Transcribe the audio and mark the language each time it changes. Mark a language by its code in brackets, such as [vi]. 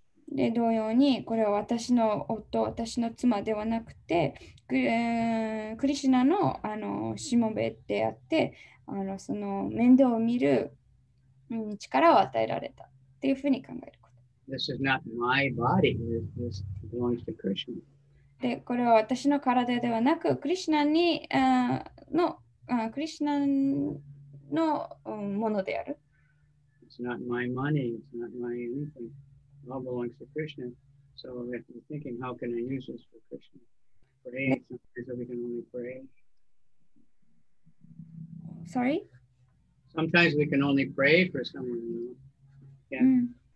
[ja] で、同様に、これは私の夫、私の妻ではなくて、クリシナの、あの、しもべであって、あの、その面倒を見る、力を与えられたっていうふうに考えること。 [en] This is not my body, this belongs to Krishna. [ja] で、これは私の体ではなく、クリシュナにのクリシュナのものである。 [en] It's not my money, it's not my anything. It all belongs to Krishna. So I've been thinking, how can I use this for Krishna? Pray, sometimes we can only pray. Sorry? Sometimes we can only pray for someone, you know.